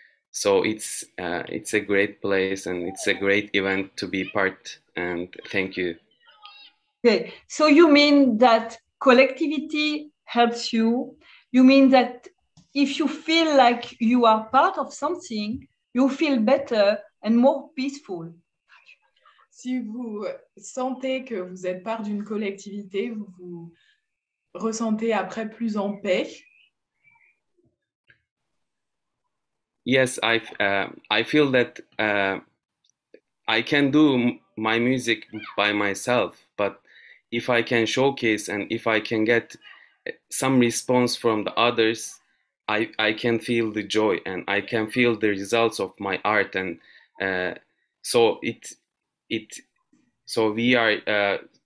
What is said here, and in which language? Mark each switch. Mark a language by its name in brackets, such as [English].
[English] So it's a great place and it's a great event to be part, and thank you. Okay, so you mean that collectivity helps you? You mean that if you feel like you are part of something, you feel better and more peaceful? [French] Si vous sentez que vous êtes part d'une collectivité, vous vous ressentez après plus en paix. [English] Yes, I feel that I can do my music by myself, but if I can showcase and if I can get some response from the others, I can feel the joy and I can feel the results of my art, and so we are